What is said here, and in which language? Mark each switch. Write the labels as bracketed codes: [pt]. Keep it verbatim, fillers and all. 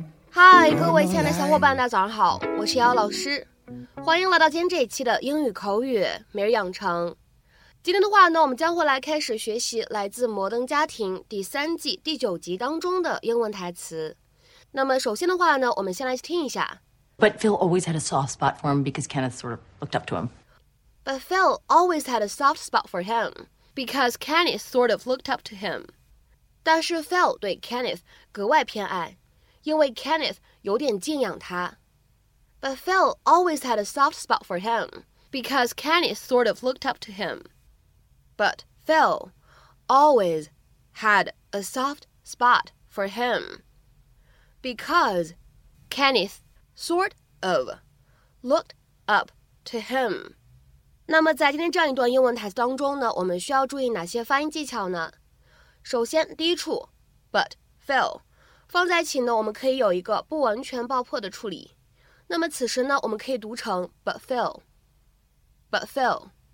[zh] 嗨，各位亲爱的小伙伴，大家早上好，我是姚老师，欢迎来到今天这一期的英语口语每日养成。今天的话呢，我们将会来开始学习来自摩登家庭第三季第九集当中的英文台词。那么首先的话呢，我们先来听一下。 [en] But Phil always had a soft spot for him because Kenneth sort of looked up to him. But Phil always had a soft spot for him because Kenneth sort of looked up to him. [zh] 但是 Phil 对 Kenneth 格外偏爱，因为 Kenneth 有点敬仰他。 [en] But Phil always had a soft spot for him because Kenneth sort of looked up to him. But Phil always had a soft spot for him because Kenneth sort of looked up to him. [zh] 那么在今天这样一段英文台词当中呢，我们需要注意哪些发音技巧呢？首先，第一处 [en] But Phil [zh] 放在一起呢，我们可以有一个不完全爆破的处理。那么此时呢，我们可以读成 [en] But Phil But Phil。